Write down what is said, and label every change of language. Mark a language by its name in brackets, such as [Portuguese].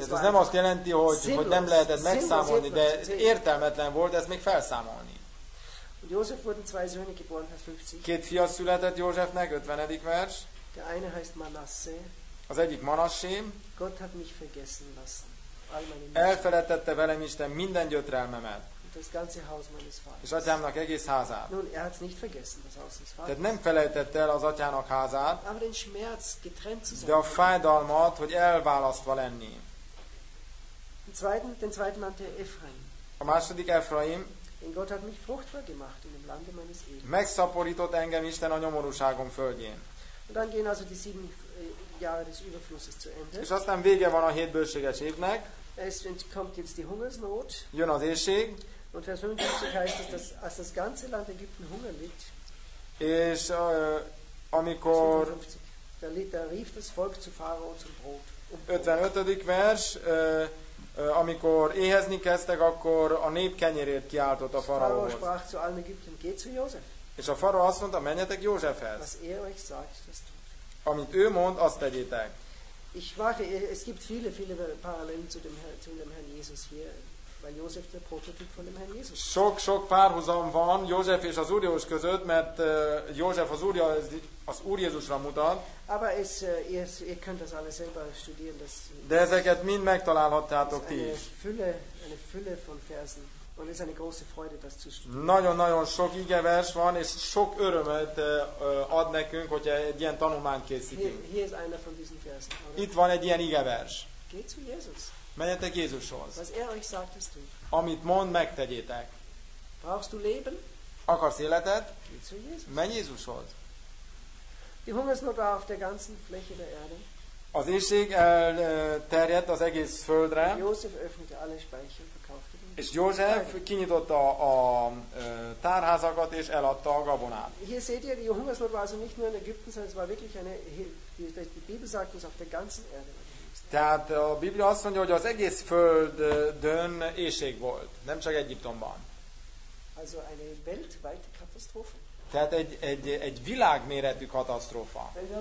[Hungarian] ez nem azt jelenti, hogy nem lehetett megszámolni, de értelmetlen volt ezt még felszámolni. [German] Josef wurden zwei Söhne geboren, 50. [Hungarian] Két fia született Józsefnek, 50. vers. [German] Der eine heißt Manasse. [Hungarian] Az egyik Manassé. [German] Gott hat mich vergessen lassen. [Hungarian] Elfelejtette velem Isten minden gyötrelmemet. [German] Das ganze Haus meines Vaters. [Hungarian] És atyámnak egész házát. [German] Nun, er hat's nicht vergessen, das Haus des Vaters. [Hungarian] Tehát nem felejtette el az atyának házát. [German] Aber den Schmerz getrennt zu sein. [Hungarian] De a fájdalmat, hogy elválasztva lenni. [German] Den zweiten nannte Ephraim. [Hungarian] A második Ephraim. [German] Én Gott hat mich fruchtbar gemacht in dem Lande meines Ebens. [Hungarian] Megszaporított engem Isten a nyomorúságom földjén. [German] Und dann gehen also die 7 Jahre des Überflusses zu Ende. [Hungarian] És aztán vége van a 7 bőséges évnek. [German] Es kommt jetzt die Hungersnot. [Hungarian] Jön az éhség. [German] Und Vers 55 heißt es, dass als das ganze Land Ägypten Hunger litt. [Hungarian] És amikor [German] da rief das Volk zu Pharao zum Brot. [Hungarian] 55. vers, amikor éhezni kezdtek, akkor a nép kenyerért kiáltott a faraóhoz. [German] Pharao sprach zu allen Ägyptern, geht zu Josef. [Hungarian] És a faraó azt mondta, menjetek Józsefhez. [German] Was er euch sagt, das tut. [Hungarian] Amit ő mond, azt tegyétek. [German] Ich warte, es gibt viele, viele Parallelen zu dem Herrn Jesus hier, weil Josef der Prototyp von dem Herrn Jesus. [Hungarian] Sok-sok párhuzam van József és az Úr Jézus között, mert József az Úr Jézusra mutat. [German] Aber es, ihr könnt das alles selber studieren. Das, [Hungarian] de ezeket mind megtalálhattátok ti is. [German] Eine Fülle von Versen. Und es ist eine große Freude, das zu studieren. [Hungarian] Nagyon-nagyon sok igevers van, és sok örömet ad nekünk, hogyha egy ilyen tanulmányt készítünk. [German] Hier ist einer von diesen Versen. Oder? [Hungarian] Itt van egy ilyen igevers. [German] Geht zu Jesus. [Hungarian] Menjetek Jézushoz. [German] Was er euch sagt, ist du. [Hungarian] Amit mond, megtegyétek. [German] Brauchst du Leben? [Hungarian] Akarsz életet? [German] Geht zu Jesus. [Hungarian] Menj Jézushoz. [German] Die Hungersnot war auf der ganzen Fläche der Erde. [Hungarian] Az éhség elterjedt az egész földre. [German] Josef öffnete alle Speicher, verkaufte den. [Hungarian] És József kinyitotta a tárházakat és eladta a gabonát. [German] Hier seht ihr, die Hungersnot war also nicht nur in Ägypten, sondern es war wirklich eine, wie die Bibel sagt, es auf der ganzen Erde. [Hungarian] Tehát a Biblia azt mondja, hogy az egész földön éhség volt, nem csak Egyiptomban. [German] Also eine weltweite Katastrophe. [Hungarian] Tehát egy világméretű katasztrófa.